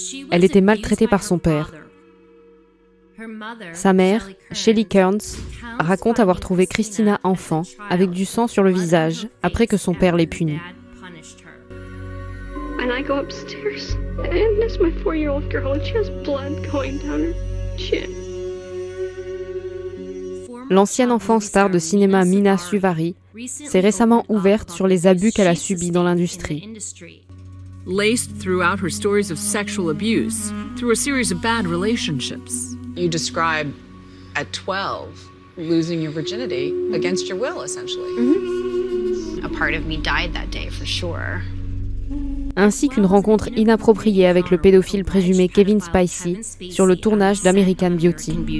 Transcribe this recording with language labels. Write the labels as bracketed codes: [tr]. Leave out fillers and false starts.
[fr] Elle était maltraitée par son père. Sa mère, Shelley Kearns, raconte avoir trouvé Christina enfant avec du sang sur le visage après que son père l'ait punie. [en] And I go upstairs, and it's my four-year-old girl, and she has blood going down her chin. [fr] L'ancienne enfant star de cinéma Mina Suvari s'est récemment ouverte sur les abus qu'elle a subis dans l'industrie. [en] Laced throughout her stories of sexual abuse through a series of bad relationships. You describe at 12 losing your virginity against your will, essentially. Mm-hmm. A part of me died that day, for sure. [fr] Ainsi qu'une rencontre inappropriée avec le pédophile présumé Kevin Spacey sur le tournage d'American Beauty.